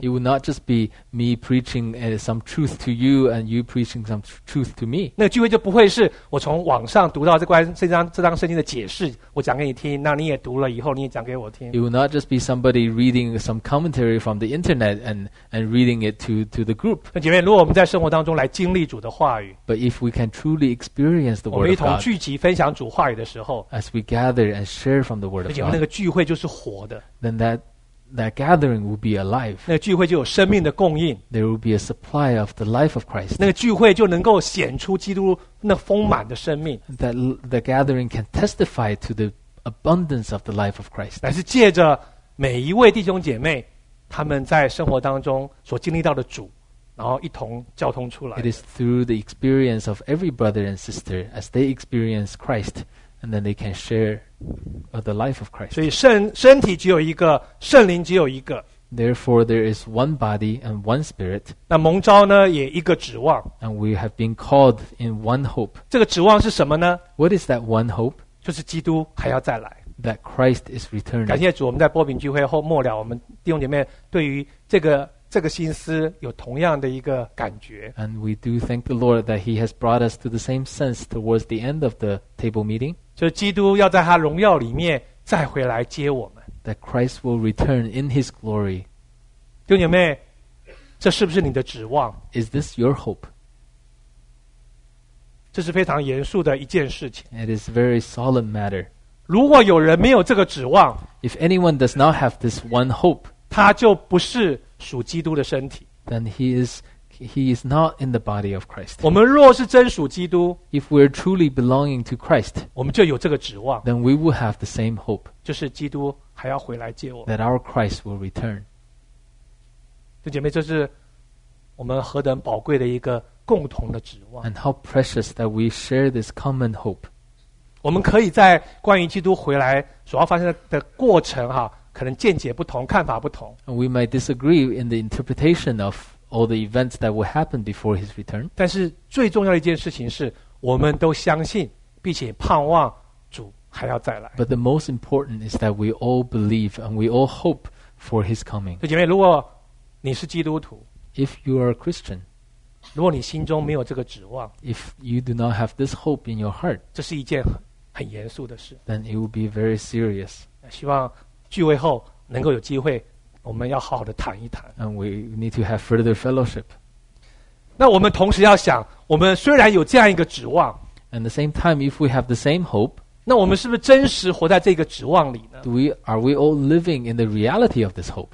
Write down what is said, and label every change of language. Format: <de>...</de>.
<en>It would not just be me preaching some truth to you and you preaching some truth to me.</en> <zh>那个聚会就不会是我从网上读到这张圣经的解释，我讲给你听，那你也读了以后你也讲给我听。</zh> <en>It would not just be somebody reading some commentary from the internet and reading it to the group.</en> <zh>那姐妹，如果我们在生活当中来经历主的话语，</zh> <en>But if we can truly experience the word of God,</en> <zh>我们一同聚集分享主话语的时候，</zh> <en>As we gather and share from the word of God,</en> <zh>那个聚会就是活的。</zh> <en>Then that gathering will be alive.</en> <zh>那个聚会就有生命的供应。</zh> <en>There will be a supply of the life of Christ.</en> <zh>那个聚会就能够显出基督那丰满的生命。</zh> <en>That gathering can testify to the abundance of the life of Christ.</en> <zh>乃是借着每一位弟兄姐妹他们在生活当中所经历到的主，然后一同交通出来。</zh> <en>It is through the experience of every brother and sister as they experience Christ. And then they can share the life of Christ.</en> <zh>所以身体只有一个，圣灵只有一个。</zh> <en>Therefore, there is one body and one spirit.</en> <zh>那蒙召呢，也一个指望。</zh> <en>And we have been called in one hope.</en> <zh>这个指望是什么呢？</zh> <en>What is that one hope?</en> <zh>就是基督还要再来。</zh> <en>That Christ is returning.</en> <zh>感谢主，我们在波饼聚会后末了，我们弟兄姐妹对于这个心思有同样的一个感觉。</zh> <en>And we do thank the Lord that He has brought us to the same sense towards the end of the table meeting.</en> <zh>就是基督要在他荣耀里面再回来接我们。</zh> <en>That Christ will return in His glory.</en> <zh>弟兄姐妹，这是不是你的指望？</zh> <en>Is this your hope?</en> <zh>这是非常严肃的一件事情。</zh> <en>It is a very solemn matter.</en> <zh>如果有人没有这个指望，</zh> <en>If anyone does not have this one hope,</en> <zh>他就不是属基督的身体。</zh> <en>Then he is He is not in the body of Christ.</en> <zh>我们若是真属基督，</zh> <en>if we are truly belonging to Christ,</en> <zh>我们就有这个指望，</zh> <en>then we will have the same hope.</en> <zh>就是基督还要回来接我们，</zh> <en>that our Christ will return.</en> <zh>这姐妹，这是我们何等宝贵的一个共同的指望。</zh> <en>And how precious that we share this common hope.</en> <zh>我们可以在关于基督回来所要发生的过程哈，可能见解不同，看法不同。</zh> <en>And we might disagree in the interpretation of all the events that will happen before his return.</en> <zh>但是最重要的一件事情是，我们都相信并且盼望主还要再来。</zh> <en>But the most important is that we all believe and we all hope for his coming.</en> <zh>姐妹，如果你是基督徒，</zh> <en>if you are a Christian,</en> <zh>如果你心中没有这个指望，</zh> <en>if you do not have this hope in your heart,</en> <zh>这是一件很严肃的事，</zh> <en>then it will be very serious.</en> <zh>希望聚会后能够有机会，我们要好好的谈一谈。</zh> <en>And we need to have further fellowship.</en> <zh>那我们同时要想，我们虽然有这样一个指望，</zh> <en>and the same time, if we have the same hope,</en> <zh>那我们是不是真实活在这个指望里呢？</zh> <en>Are we all living in the reality of this hope?</en>